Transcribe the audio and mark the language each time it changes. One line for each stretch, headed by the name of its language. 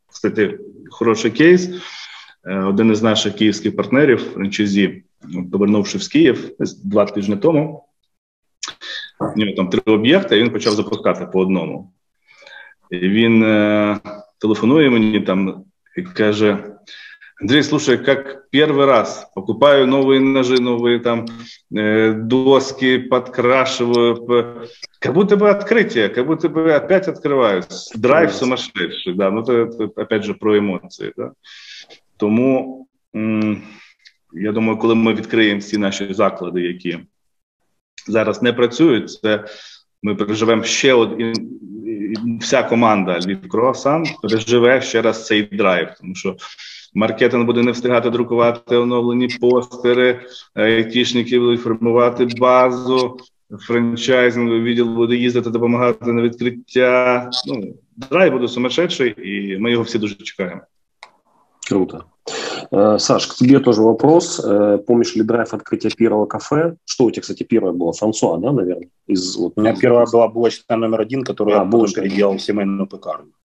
Ukrainian: Кстати, хороший кейс. Один із наших київських партнерів, франчайзі, повернувшись в Київ 2 тижні тому, у нього там 3 об'єкти, і він почав запускати по одному. І він телефонує мені там і каже: Андрій, слушай, як перший раз покупаю нові ножи, нові там доски, підкрашиваю.
Russian: Как будто бы открытие, как будто бы опять открываюсь. Драйв сумасшедший, да. Ну, это опять же про эмоции, да.
Ukrainian: Тому, я думаю, коли ми відкриємо всі наші заклади, які зараз не працюють, це ми переживемо ще один, вся команда Львів Круасан переживе ще раз цей драйв, тому що маркетинг буде не встигати друкувати оновлені постери, айтішники будуть формувати базу, франчайзинговий відділ буде їздити допомагати на відкриття. Ну, драйв буде сумасшедший, і ми його всі дуже чекаємо.
Russian: Круто. Саш, к тебе тоже вопрос. Помнишь ли драйв открытия первого кафе? Что у тебя, кстати, первое было? Франсуа, да, наверное? У меня первая была булочная номер один, которую я потом переделал в семейную пекарню.